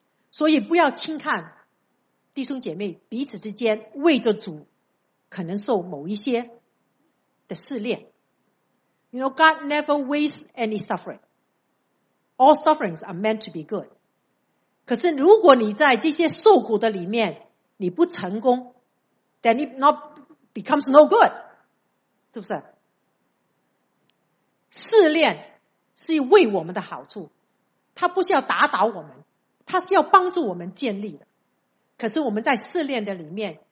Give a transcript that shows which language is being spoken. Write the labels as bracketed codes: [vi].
[zh] 所以不要轻看弟兄姐妹彼此之间为着主可能受某一些的试炼。 [en] You know, God never wastes any suffering. All sufferings are meant to be good. [zh] 可是如果你在这些受苦的里面你不成功， [en] then it not becomes no good. [zh] 是不是？试炼是为我们的好处，它不是要打倒我们，它是要帮助我们建立的。可是我们在试炼的里面